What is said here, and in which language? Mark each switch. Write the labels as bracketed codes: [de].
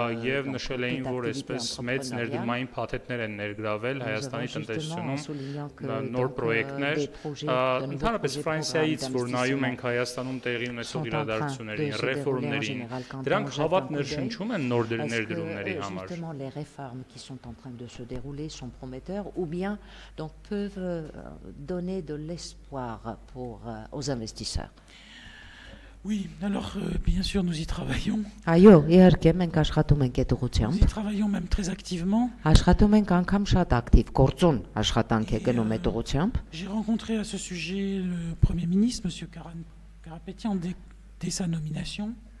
[hy] եւ նշել էին, որ այսպես մեծ ներդրումային փաթեթներ են ներգրավել Հայաստանի տնտեսությունում նոր պրոյեկտներ, ընդհանրապես Ֆրանսիայից, որ նայում ենք Հայաստանում տեղի ունեցող իրադարձություններին, ռեֆորմներին, դրանք հավատ ներշնչում են նոր ներդրումների համար։ [fr] Justement les réformes qui sont en train de se dérouler sont prometteurs ou bien donc peuvent donner de l'espoir pour aux investisseurs. Oui, alors bien sûr nous y travaillons. [hy] Այո, իհարկե մենք աշխատում ենք այդ ուղությամբ։ [fr] Nous travaillons même très activement. [hy] Աշխատում ենք անգամ շատ ակտիվ, գործուն աշխատանք է գնում այդ ուղությամբ։ [fr] J'ai rencontré à ce sujet le Premier ministre monsieur Carapetian dès sa nomination.